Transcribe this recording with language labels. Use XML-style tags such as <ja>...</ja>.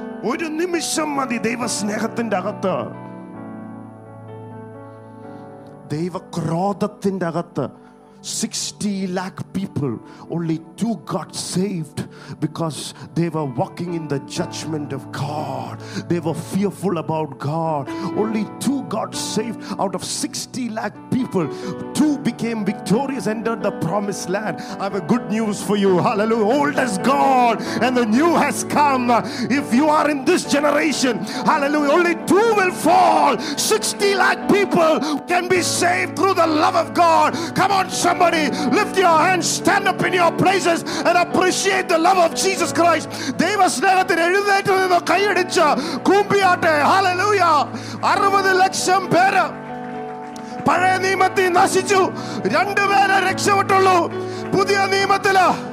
<ml>ഒരു നിമിഷം മതി ദൈവസ്നേഹത്തിന്റെ അകത്ത്, ദൈവക്രോധത്തിന്റെ അകത്ത്.</ml> <en>60 lakh people, only two got saved because they were walking in the judgment of God. They were fearful about God. Only two got saved out of 60 lakh people. Two became victorious, entered the promised land. I have a good news for you. Hallelujah. Old is God and the new has come. If you are in this generation, hallelujah, only two will fall. 60 lakh people can be saved through the love of God. Come on, sir. Somebody lift your hands, stand up in your places and appreciate the love of Jesus Christ.</en> <ml>ദൈവസ്നേഹത്തിന് എഴുന്നേറ്റ് നിന്ന് കൈയടിച്ച് കൂമ്പിയാട്ടെ. Hallelujah. 60 ലക്ഷം പേര് പഴയ നിയമത്തിൽ നശിച്ചു, രണ്ടു പേരെ രക്ഷപ്പെട്ടുള്ളൂ പുതിയ നിയമത്തില്.</ml>